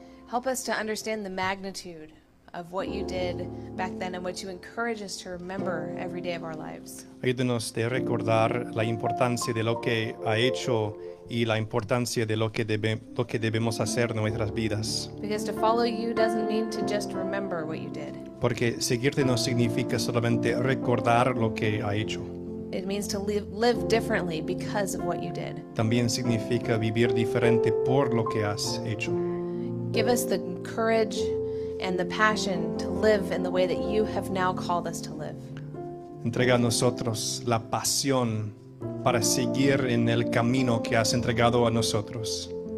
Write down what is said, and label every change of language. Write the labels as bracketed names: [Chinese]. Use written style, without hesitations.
[English] Help us to understand the magnitude of what you did back then and what you encourage us to remember every day of our lives. [Spanish] Ayúdanos a recordar la importancia de lo que ha hecho y la importancia de lo que debemos hacer en nuestras vidas. [English] Because to follow you doesn't mean to just remember what you did. [Spanish] Porque seguirte no significa solamente recordar lo que ha hecho. [English] It means to live differently because of what you did. [Spanish] También significa vivir diferente por lo que has hecho. [English] Give us the courage and the passion to live in the way that you have now called us to live. [Spanish] Entrega a nosotros la pasión para seguir en el camino que has entregado a nosotros.